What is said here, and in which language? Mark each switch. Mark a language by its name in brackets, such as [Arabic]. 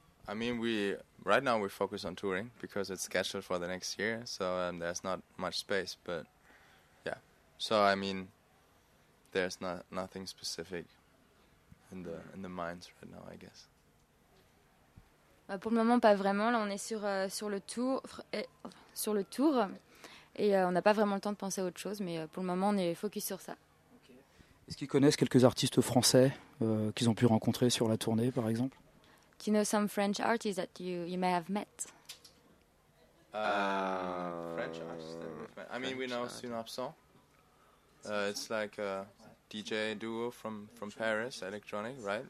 [English] I mean, we right now we focus on touring because it's scheduled for the next year, so there's not much space. But yeah, so I mean, there's nothing specific in the minds right now, I guess. [French] Pour le moment, pas vraiment. Là, on est sur le tour, et on n'a pas vraiment le temps de penser à autre chose. Mais pour le moment, on est focus sur ça. [English] Okay. [French] Est-ce qu'ils connaissent quelques artistes français qu'ils ont pu rencontrer sur la tournée, par exemple? [English] Do you know some French artists that you may have met? French artists that we've met. I mean, French, we know Sunabson. It's like a DJ duo from Paris, electronic, right?